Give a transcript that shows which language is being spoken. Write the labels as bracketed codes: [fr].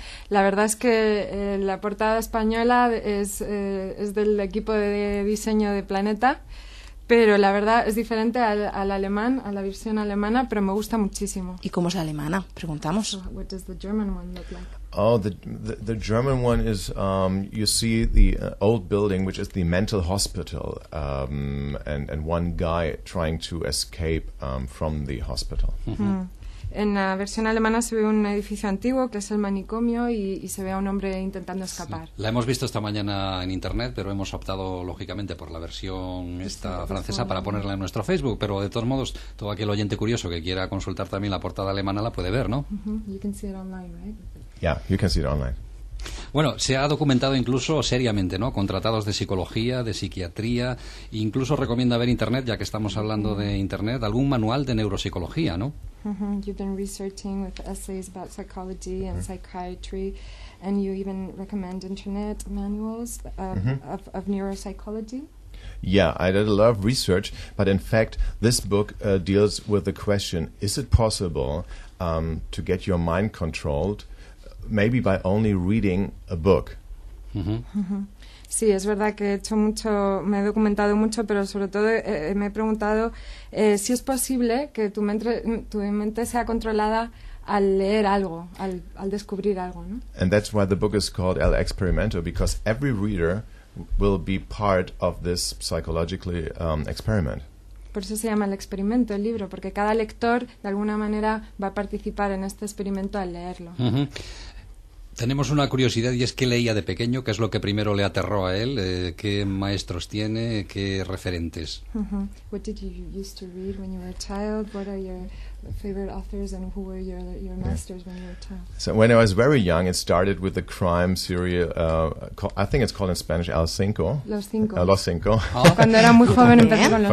[es] La verdad es que la portada española es del equipo de diseño de Planeta, pero la verdad es diferente al alemán, a la versión alemana, pero me gusta muchísimo. ¿Y cómo es la alemana? Preguntamos. [en] What does the German one look like? Oh, the German one is you see the old building, which is the mental hospital, and one guy trying to escape from the hospital. Mm-hmm. [es] En la versión alemana se ve un edificio antiguo que es el manicomio y se ve a un hombre intentando escapar. Sí. La hemos visto esta mañana en internet, pero hemos optado lógicamente por la versión esta francesa para ponerla en nuestro Facebook, pero de todos modos todo aquel oyente curioso que quiera consultar también la portada alemana la puede ver, ¿no? [en] Uh-huh. You can see it online, right? Yeah, you can see it online. [es] Bueno, se ha documentado incluso seriamente, ¿no? Contratados de psicología, de psiquiatría, incluso recomienda ver internet, ya que estamos hablando de internet, algún manual de neuropsicología, ¿no? Mm-hmm. [en] You've been researching with essays about psychology and psychiatry, and you even recommend internet manuals of neuropsychology. Yeah, I did a lot of research, but in fact, this book deals with the question, is it possible to get your mind controlled maybe by only reading a book? [es] Sí, es verdad que me he documentado mucho, pero sobre todo me he preguntado si es posible que tu mente sea controlada al leer algo, al descubrir algo, ¿no? [en] And that's why the book is called El Experimento, because every reader will be part of this psychologically experiment. [es] Por eso se llama El Experimento, el libro, porque cada lector de alguna manera va a participar en este experimento al leerlo. Uh-huh. Tenemos una curiosidad y es que leía de pequeño, ¿qué es lo que primero le aterró a él? ¿Qué maestros tiene? ¿Qué referentes? Uh-huh. [en] What did you used to read when you were a child? What are your favorite authors and who were your masters when you were a child? So when I was very young, it started with the crime series. I think it's called in Spanish El Cinco. [es] Los Cinco. Los Cinco. Cuando era muy joven empezó con los